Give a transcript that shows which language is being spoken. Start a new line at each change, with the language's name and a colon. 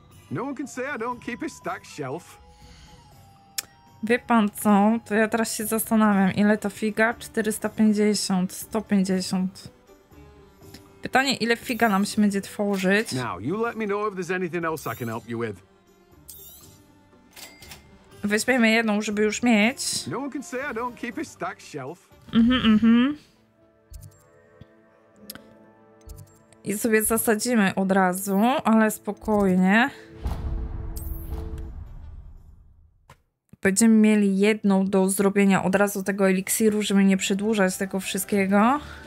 English: No one can say I don't keep a stacked shelf.
Polish: Wie pan co? To ja teraz się zastanawiam, ile to figa? 450, 150. Pytanie, ile figa nam się będzie tworzyć?
English: Now, you let me know if there's anything else I can help you with.
Polish: Weźmiemy jedną, żeby już mieć.
English: No one can say I don't keep a stacked shelf.
Polish: I sobie zasadzimy od razu, ale spokojnie. Będziemy mieli jedną do zrobienia od razu tego eliksiru, żeby nie przedłużać tego wszystkiego.